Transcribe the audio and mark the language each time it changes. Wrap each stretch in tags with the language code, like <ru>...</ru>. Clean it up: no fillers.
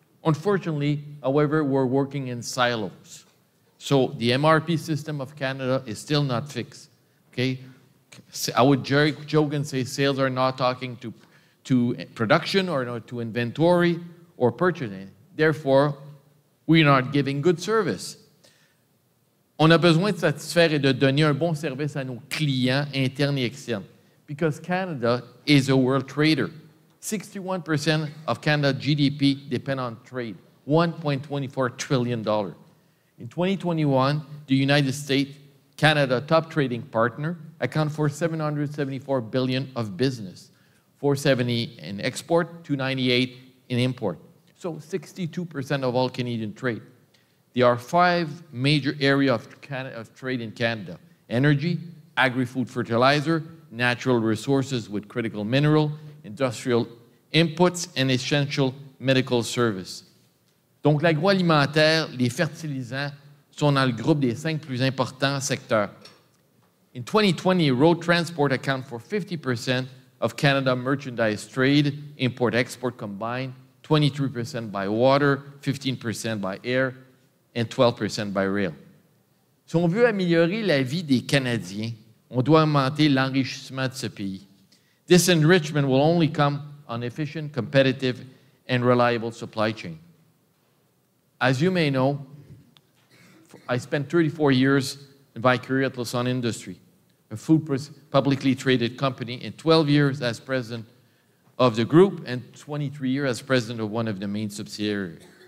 <en>Unfortunately, however, we're working in silos. So the MRP system of Canada is still not fixed, okay? I would joke and say sales are not talking to production or not to inventory or purchasing. Therefore, we're not giving good service.</en> <fr>On a besoin de satisfaire et de donner un bon service à nos clients internes et externes.</fr> <en>Because Canada is a world trader. 61% of Canada GDP depend on trade, $1.24 trillion. In 2021, the United States, Canada top trading partner, account for $774 billion of business, $470 in export, $298 in import. So 62% of all Canadian trade. There are 5 major areas of trade in Canada: energy, agri-food fertilizer, natural resources with critical mineral, industrial inputs, and essential medical service.</en> <fr>Donc l'agroalimentaire, les fertilisants sont dans le groupe des 5 plus importants secteurs.</fr> <en>In 2020, road transport account for 50% of Canada merchandise trade, import-export combined, 23% by water, 15% by air, and 12% by rail.</en> <fr>Si on veut améliorer la vie des Canadiens, on doit augmenter l'enrichissement de ce pays.</fr> <en>This enrichment will only come on efficient, competitive, and reliable supply chain. As you may know, I spent 34 years in my career at Lausanne Industry, a food publicly traded company, and 12 years as president of the group, and 23 years as president of one of the main subsidiaries.</en>